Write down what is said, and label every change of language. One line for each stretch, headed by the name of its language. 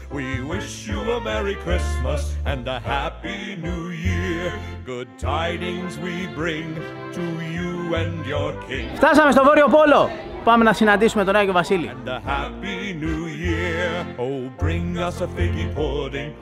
English: We wish you a Merry Christmas and a Happy New Year. Good tidings we bring to you and your king.
Greek: Φτάσαμε στο Βόρειο Πόλο. Πάμε να συναντήσουμε τον Άγιο Βασίλη.
English: And a Happy New Year. Oh, bring us a figgy pudding.